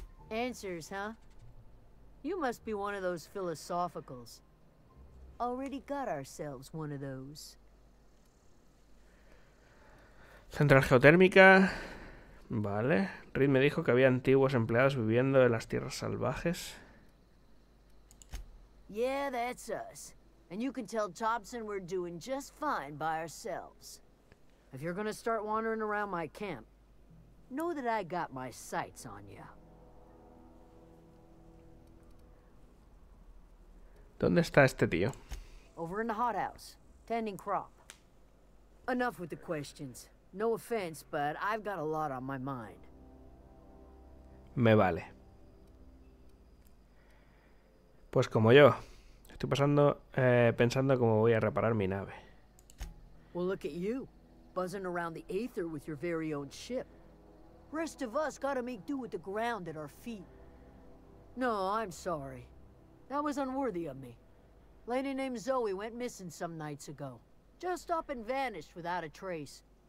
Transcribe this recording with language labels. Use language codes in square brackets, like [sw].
[en] Answers, huh? You must be one of those philosophicals. Already got ourselves one of those. [es] Central geotérmica. Vale. Reed me dijo que había antiguos empleados viviendo en las tierras salvajes. [en] Yeah, that's us. And you can tell Thompson we're doing just fine by ourselves. If you're gonna start wandering around my camp, know that I got my sights on you. [es] ¿Dónde está este tío? [en] Over in the hothouse, tending crop. Enough with the questions. No offense, but I've got a lot on my mind. [es] Me vale. Pues como yo. Estoy pasando, pensando cómo voy a reparar mi nave. [en] Well, look at you, buzzing around the aether with your very own ship. Rest of us gotta make do with the ground at our feet. No, I'm sorry. That was unworthy of me. Lady named Zoe went missing some nights ago. Just up and vanished without a trace.